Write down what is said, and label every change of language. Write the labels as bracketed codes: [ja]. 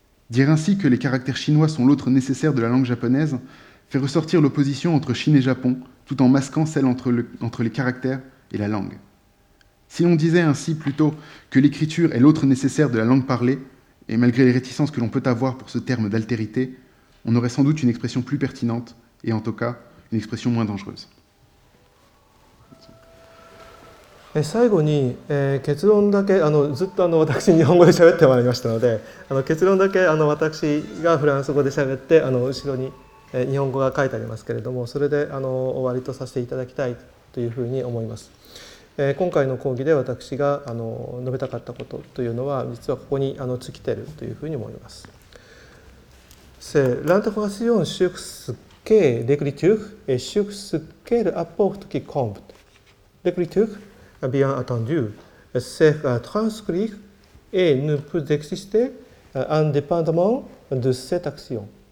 [fr] Dire ainsi que les caractères chinois sont l'autre nécessaire de la langue japonaise fait ressortir l'opposition entre Chine et Japon, tout en masquant celle entre les caractères et la langue. Si l'on disait ainsi plutôt que l'écriture est l'autre nécessaire de la langue parlée, et malgré les réticences que l'on peut avoir pour ce terme d'altérité, on aurait sans doute une expression plus pertinente, et en tout cas, une expression moins dangereuse. [ja] 最後に、結論だけずっと私日本語で喋ってまいりましたので、結論だけ私がフランス語で喋って後ろに、日本語が書いてありますけれども、それで終わりとさせていただきたいというふうに思います。今回の講義で私が述べたかったことというのは実はここに尽きているというふうに思います。 [fr] C'est l'intégration sur ce qu'est l'écriture et sur ce qu'elle apporte qui compte. L'écriture, bien entendu, c'est transcrire et ne peut exister indépendamment de cette action.